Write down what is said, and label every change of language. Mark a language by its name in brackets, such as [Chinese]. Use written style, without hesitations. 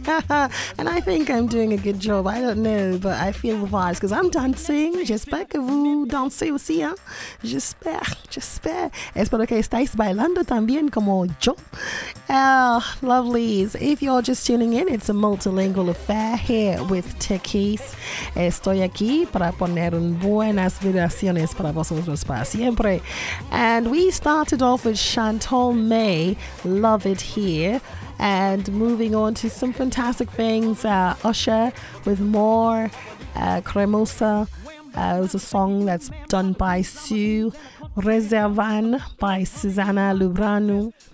[English] And I think I'm doing a good job. I don't know, but I feel the vibes because I'm dancing. [French] J'espère que vous dansez aussi, hein? J'espère. [Spanish] Espero que estáis bailando también como yo. [English] Lovelies, if you're just tuning in, it's a multilingual affair here with Techies. [Spanish] Estoy aquí para poner buenas vibraciones para vosotros para siempre. [English] And we started off with Chantal May, Love It Here, and moving on to some fantastic things, Usher with More, Cremosa. It was a song that's done by Sue, Reservan by Susana Lubrano.